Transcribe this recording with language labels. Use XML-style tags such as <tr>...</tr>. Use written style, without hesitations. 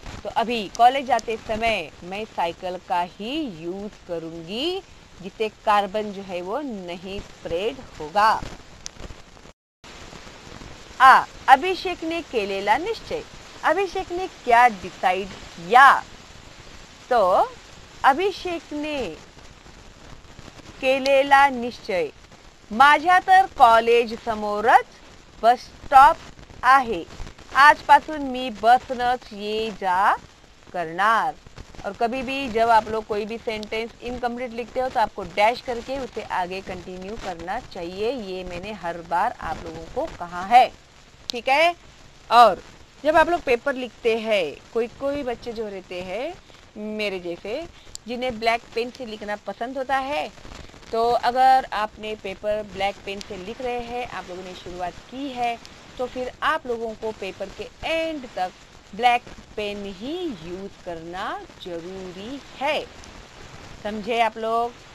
<hi>तो अभी कॉलेज जाते समय मैं साइकिल का ही यूज करूंगी जिसे कार्बन जो है वो नहीं स्प्रेड होगा। अभिषेक</hi> <mr>ने केलेला निश्चय।</mr> <hi>अभिषेक ने क्या डिसाइड किया?</hi> <mr>तो अभिषेक ने केलेला निश्चय, माझ्या तर कॉलेज समोरच बस स्टॉप आहे, आजपासून मी बसनच ये जा करणार।</mr> <hi>और कभी भी जब आप लोग कोई भी सेंटेंस इनकम्प्लीट लिखते हो तो आपको डैश करके उसे आगे कंटिन्यू करना चाहिए, ये मैंने हर बार आप लोगों को कहा है, ठीक है। और जब आप लोग पेपर लिखते हैं, कोई कोई बच्चे जो रहते हैं मेरे जैसे जिन्हें ब्लैक पेन से लिखना पसंद होता है, तो अगर आपने पेपर ब्लैक पेन से लिख रहे हैं, आप लोगों ने शुरुआत की है, तो फिर आप लोगों को पेपर के एंड तक ब्लैक पेन ही यूज करना जरूरी है, समझे आप लोग।</hi>